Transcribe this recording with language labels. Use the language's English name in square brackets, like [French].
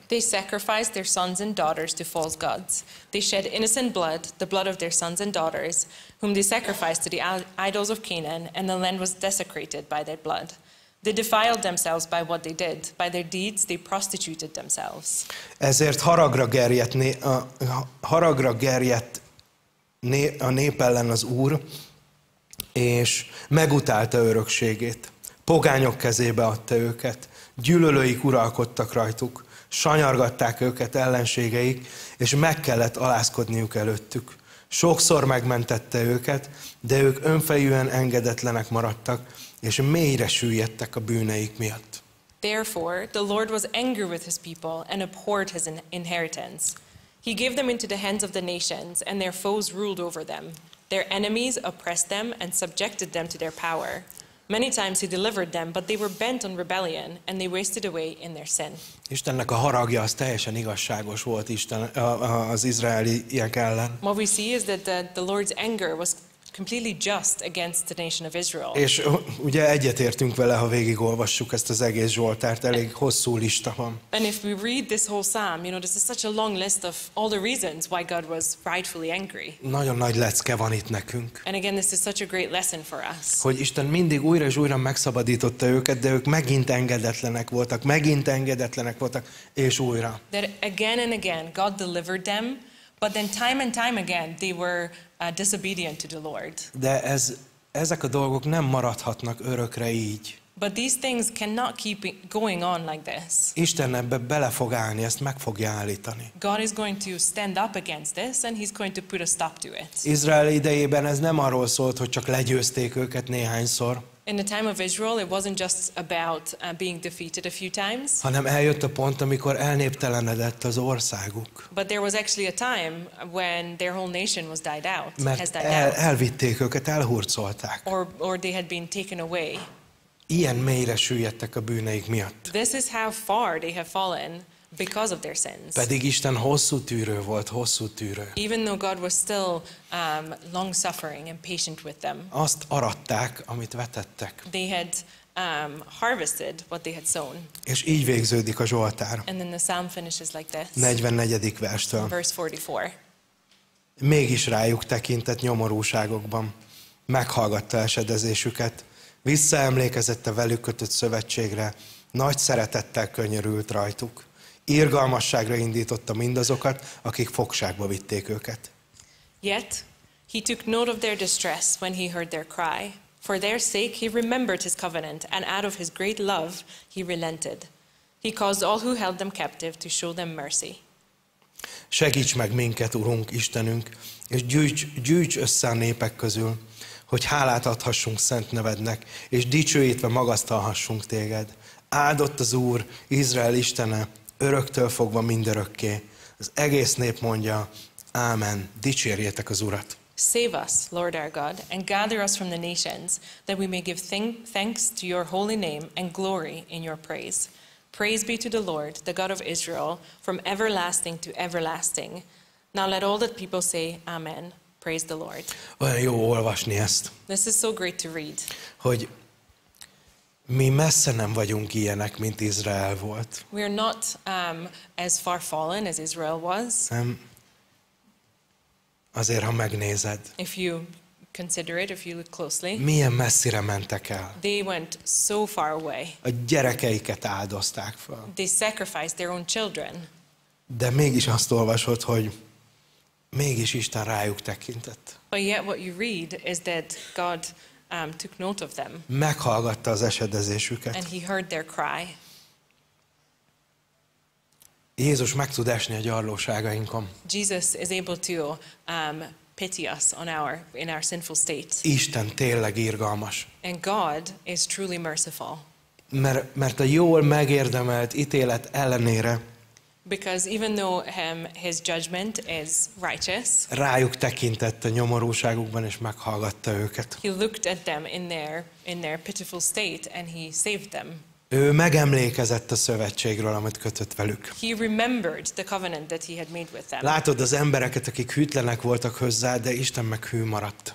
[English] They sacrificed their sons and daughters to false gods. They shed innocent blood, the blood of their sons and daughters, whom they sacrificed to the idols of Canaan, and the land was desecrated by their blood. They defiled themselves by what they did. By their deeds they prostituted themselves. [Hungarian] Ezért haragra gerjedt a nép ellen az Úr, és megutálta örökségét. Pogányok kezébe adta őket, gyűlölőik uralkodtak rajtuk, sanyargatták őket ellenségeik, és meg kellett alázkodniuk előttük. Sokszor megmentette őket, de ők önfejűen engedetlenek maradtak, és mélyre süllyedtek a bűneik miatt. [English] Therefore, the Lord was angry with his people and abhorred his inheritance. He gave them into the hands of the nations, and their foes ruled over them. Their enemies oppressed them and subjected them to their power. Many times he delivered them, but they were bent on rebellion, and they wasted away in their sin. [Hungarian] Istennek a haragja az teljesen igazságos volt Isten az izraeliek ellen. [English] What we see is that the Lord's anger was completely just against the nation of Israel. [Hungarian] És ugye egyetértünk vele, ha végigolvassuk ezt az egész Zsoltárt, elég hosszú lista van. [English] And if we read this whole psalm, you know, this is such a long list of all the reasons why God was rightfully angry. [Hungarian] Nagyon nagy lecke van itt nekünk. [English] And again, this is such a great lesson for us. [Hungarian] Hogy Isten mindig újra és újra megszabadította őket, de ők megint engedetlenek voltak, és újra. [English] That again and again, God delivered them, but then time and time again, they were disobedient to the Lord. [Hungarian] De ezek a dolgok nem maradhatnak örökre így. [English] But these things cannot keep going on like this. [Hungarian] Isten ebbe bele fog állni, ezt meg fogja állítani. [English] God is going to stand up against this, and he's going to put a stop to it. [Hungarian] Izrael idejében ez nem arról szólt, hogy csak legyőzték őket néhányszor. [English] In the time of Israel, it wasn't just about being defeated a few times. [Hungarian] Hanem eljött a pont, amikor elnéptelenedett az országuk. [English] But there was actually a time when their whole nation was died out. [Hungarian] Mert [English] has died out. [Hungarian] Elvitték őket, elhurcolták. [English] Or they had been taken away. [Hungarian] Ilyen mélyre süllyedtek a bűneik miatt. [English] This is how far they have fallen because of their sins. [Hungarian] Pedig Isten hosszú tűrő volt, hosszú tűrő. [English] Even though God was still long-suffering and patient with them. [Hungarian] Azt aratták, amit vetettek. [English] They had harvested what they had sown. [Hungarian] És így végződik a Zsoltár. [English] And then the psalm finishes like this. [Hungarian] 44. verstől. [English] Verse 44. [Hungarian] Mégis rájuk tekintett nyomorúságokban, meghallgatta esedezésüket, visszaemlékezett a velük kötött szövetségre, nagy szeretettel könyörült rajtuk. Irgalmasságra indította mindazokat, akik fogságba vitték őket. [English] Yet he took note of their distress when he heard their cry. For their sake he remembered his covenant, and out of his great love he relented. He caused all who held them captive to show them mercy. [Hungarian] Segíts meg minket, Urunk, Istenünk, és gyűjts össze a népek közül, hogy hálát adhassunk szent nevednek, és dicsőítve magasztalhassunk téged. Áldott az Úr, Izrael Istene, öröktől fogva mindörökké. Az egész nép mondja, ámen, dicsérjétek az Urat. [English] Save us, Lord our God, and gather us from the nations, that we may give thanks to your holy name and glory in your praise. Praise be to the Lord, the God of Israel, from everlasting to everlasting. Now let all the people say, amen. Praise the Lord. [Hungarian] Olyan jó olvasni ezt. [English] This is so great to read. [Hungarian] Hogy Mi messze nem vagyunk ilyenek, mint Izrael volt. [English] We are not as far fallen as Israel was. [Hungarian] Nem. Azért, ha megnézed. [English] If you consider it, if you look closely. [Hungarian] Milyen messzire mentek el. [English] They went so far away. [Hungarian] A gyerekeiket áldozták fel. [English] They sacrificed their own children. [Hungarian] De mégis azt olvasod, hogy mégis Isten rájuk tekintett. [English] But yet what you read is that God took note of them. [Hungarian] Meghallgatta az esedezésüket. [English] And he heard their cry. [Hungarian] Jézus meg tud esni a gyarlóságainkon. [English] Jesus is able to pity us on in our sinful state. [Hungarian] Isten tényleg irgalmas. [English] And God is truly merciful. [Hungarian] Mert a jól megérdemelt ítélet ellenére. [English] Because even though his judgment is righteous. [Hungarian] Rájuk tekintett a nyomorúságukban és meghallgatta őket. [English] He looked at them in their pitiful state and he saved them. [Hungarian] Ő megemlékezett a szövetségről, amit kötött velük. [English] He remembered the covenant that he had made with them. [Hungarian] Látod az embereket, akik hűtlenek voltak hozzá, de Isten meg hű maradt.